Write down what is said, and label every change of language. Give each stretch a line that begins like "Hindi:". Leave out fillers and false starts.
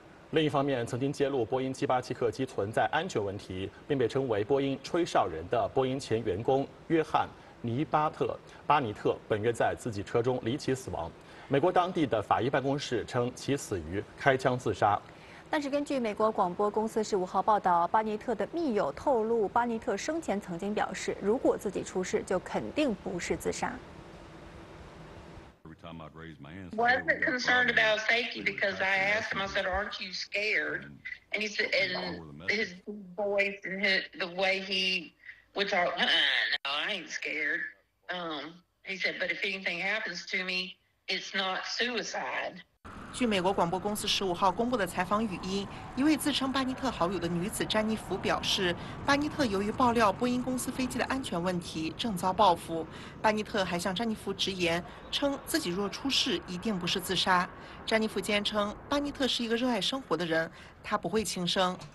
Chinese: 另一方面，曾经揭露波音787客机存在安全问题并被称为波音吹哨人的波音前员工约翰尼巴特巴尼特本月在自己车中离奇死亡。美国当地的法医办公室称其死于开枪自杀。但是根据美国广播公司15号报道，巴尼特的密友透露，巴尼特生前曾经表示，如果自己出事就肯定不是自杀。
English: Wasn't concerned about safety because I asked him. I said, "Aren't you scared?" And he said, and his voice and the way he would talk, "No, I ain't scared." He said, "But if anything happens to me, it's not suicide."
Chinese: 据美国广播公司15号公布的采访语音，一位自称巴尼特好友的女子詹妮弗表示，巴尼特由于爆料波音公司飞机的安全问题，正遭报复。巴尼特还向詹妮弗直言，称自己若出事，一定不是自杀。詹妮弗坚称，巴尼特是一个热爱生活的人，他不会轻生。